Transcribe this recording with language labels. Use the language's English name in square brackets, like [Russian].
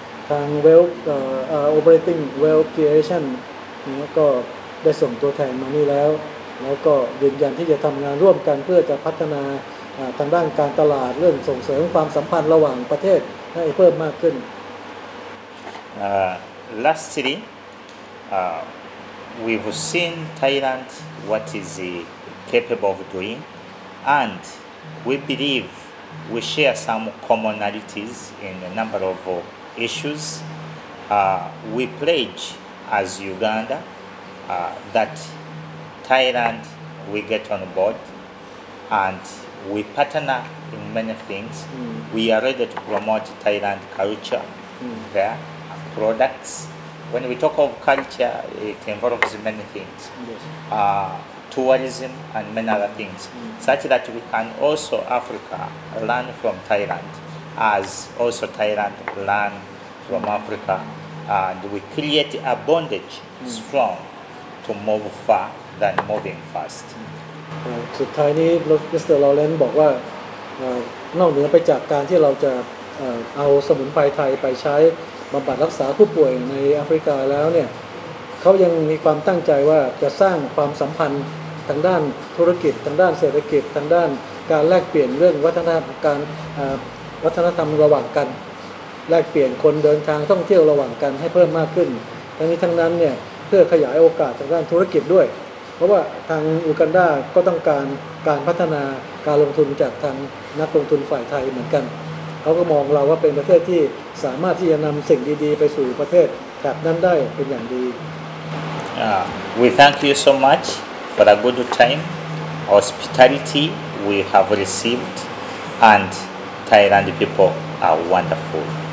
[Thai] ทางเวลโอเปอเรตติ้งเวลเคียชั่นนี่ก็ได้ส่งตัวแทนมานี่แล้วก็ยืนยันที่จะทำงานร่วมกันเพื่อจะพัฒนาทางด้านการตลาดเรื่องส่งเสริมความสัมพันธ์ระหว่างประเทศให้เพิ่มมากขึ้น [English] Lastly we've seen Thailand what is capable of doing and we believeWe share some commonalities in a number of issues. We pledge as Uganda that Thailand we get on board and we partner in many things. We are ready to promote Thailand culture there, products. When we talk of culture, it involves many things. Tourism and many other things, such that we can also Africa learn from Thailand, as also Thailand learn from Africa, and we create a bondage strong to move far than moving fast. [Thai] สุดท้ายนี้ Mr. Lawrence บอกว่านอกเหนือไปจากการที่เราจะเอาสมุนไพรไทยไปใช้บำบัดรักษาผู้ป่วยในแอฟริกาแล้วเนี่ยเขายังมีความตั้งใจว่าจะสร้างความสัมพันธ์ทางด้านธุรกิจทางด้านเศรษฐกิจทางด้านการแลกเปลี่ยนเรื่องวัฒนธรรมการ วัฒนธรรมระหว่างกันแลกเปลี่ยนคนเดินทางท่องเที่ยวระหว่างกันให้เพิ่มมากขึ้นทั้งนี้ทั้งนั้นเนี่ยเพื่อขยายโอกาสทางด้านธุรกิจด้วยเพราะว่าทางอูกันดาก็ต้องการการพัฒนาการลงทุนจากทางนักลงทุนฝ่ายไทยเหมือนกันเขาก็มองเราว่าเป็นประเทศที่สามารถที่จะนำสิ่งดีๆไปสู่ประเทศแบบนั้นได้เป็นอย่างดี [English] We thank you so much for a good time, hospitality we have received, and Thailand people are wonderful.